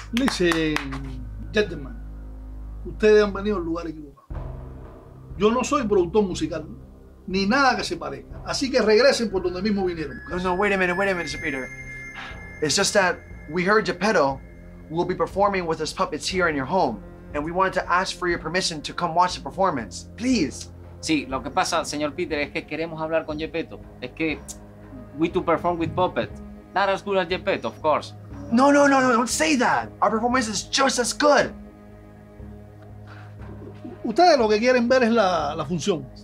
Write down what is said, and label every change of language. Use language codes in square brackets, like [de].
[en] Listen, gentlemen, [es] ustedes han venido al lugar equivocado. Yo no soy productor musical, ni nada que se parezca. Así que regresen por donde mismo vinieron. [en] No, wait a minute, Mr. Peter. It's just that we heard Geppetto will be performing with his puppets here in your home. And we wanted to ask for your permission to come watch the performance. Please. [es] Sí, lo que pasa, señor Peter, es que queremos hablar con Geppetto. Es que [en] we to perform with puppets. Not as good as Geppetto, of course. No, don't say that. Our performance is just as good. [es] Ustedes lo que quieren ver es la función.